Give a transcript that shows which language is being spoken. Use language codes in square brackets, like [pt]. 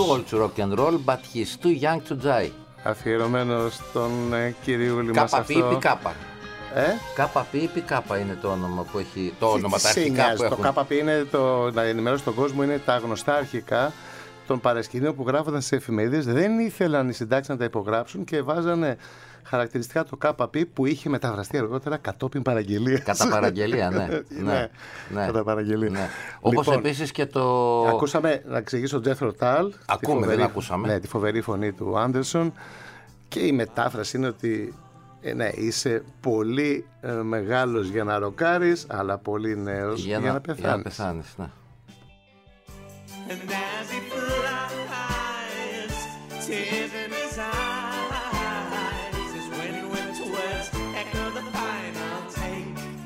[en] To rock and roll, but he's too young to die. [el] Αφιερωμένο στον κυριούλη μας αυτό. Κάπα πι πι κάπα. Ε? Κάπα πι πι κάπα είναι το όνομα που έχει, το όνομα τα αρχικά που έχουν. Το κάπα πι είναι το, να ενημερώσω τον κόσμο, είναι τα γνωστά αρχικά των παρασκηνίων που γράφονταν σε εφημερίδες. Δεν ήθελαν οι συντάξεις να τα υπογράψουν και βάζανε χαρακτηριστικά το ΚΠΠ που είχε μεταφραστεί αργότερα κατόπιν παραγγελία. Κατά παραγγελία, ναι. Ναι. Ναι. Κατά παραγγελία. Ναι. Όπως λοιπόν, επίσης και το. Ακούσαμε να εξηγήσω τον Τζέθρο Τάλ. Ακούμε, φοβερή, δεν ακούσαμε. Ναι, τη φοβερή φωνή του Άντερσον. Και η μετάφραση είναι ότι ναι, είσαι πολύ μεγάλος για να ροκάρεις, αλλά πολύ νέος για να πεθάνεις. Για να πεθάνεις, ναι. [en] And as he flies, tears in his eyes, his wind whipped words echo the final take.